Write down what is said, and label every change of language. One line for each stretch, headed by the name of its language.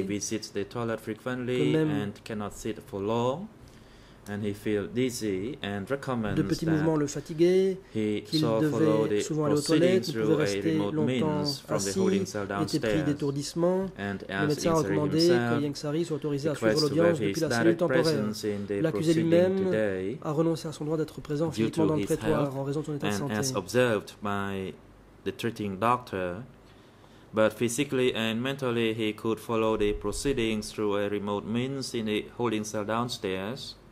English: he visits the toilet frequently and cannot sit for long, and he feels dizzy and recommends
French: de petits mouvements le fatiguaient, qu'il devait souvent aller aux toilettes, il pouvait rester longtemps assis, était pris d'étourdissement. Le médecin a demandé que Yingsari soit autorisé à suivre l'audience depuis la cellule temporaire. L'accusé lui-même a renoncé à son droit d'être présent physiquement dans le prétoire en raison de son état de santé.
English: As observed by the treating doctor, but physically and mentally, he could follow the proceedings through a remote means in the holding cell downstairs.